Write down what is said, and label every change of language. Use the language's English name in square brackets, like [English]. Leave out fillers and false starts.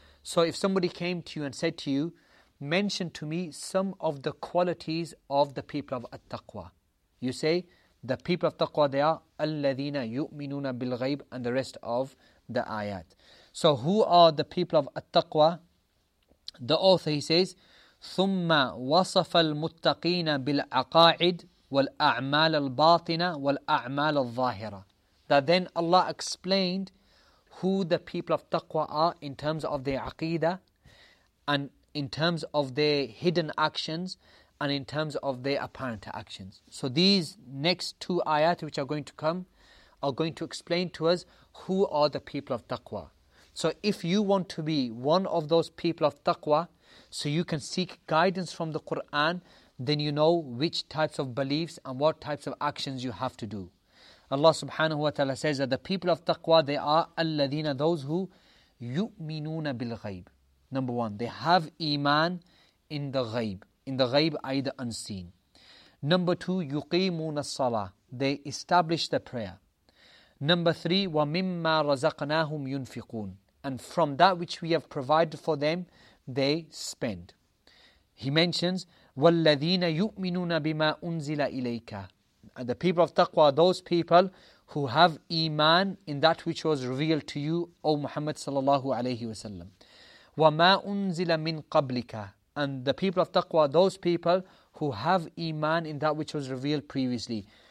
[English] So if somebody came to you and said to you, mention to me some of the qualities of the people of At-Taqwa. You say, the people of Taqwa, they are [Arabic] Al-Ladina yu'minuna bil-ghayb, [English] and the rest of the ayat. So who are the people of At-Taqwa? The author, he says, [Arabic] ثُمَّ وَصَفَ الْمُتَّقِينَ بِالْعَقَاعِدِ وَالْأَعْمَالَ الْبَاطِنَ وَالْأَعْمَالَ الظَّاهِرَةِ. [English] That then Allah explained who the people of Taqwa are in terms of their aqeedah, and in terms of their hidden actions, and in terms of their apparent actions. So these next two ayat which are going to come are going to explain to us who are the people of Taqwa. So if you want to be one of those people of Taqwa, so you can seek guidance from the Qur'an, then you know which types of beliefs and what types of actions you have to do. Allah subhanahu wa ta'ala says that the people of Taqwa, they are alladhina, those who [Arabic] yu'minuna bil ghayb. [English] Number one, they have iman in the ghayb. In the ghayb, i.e. the unseen. Number two, [Arabic] yuqimuna salah, [English] they establish the prayer. Number three, [Arabic] wa mimma razaqnahum yunfiqun, [English] and from that which we have provided for them, they spend. He mentions, [Arabic] وَالَّذِينَ يُؤْمِنُونَ بِمَا أُنزِلَ إِلَيْكَ. [English] And the people of taqwa, those people who have iman in that which was revealed to you, O Muhammad sallallahu alayhi wa sallam. [Arabic] وَمَا أُنزِلَ مِنْ قَبْلِكَ. [English] And the people of taqwa, those people who have iman in that which was revealed previously.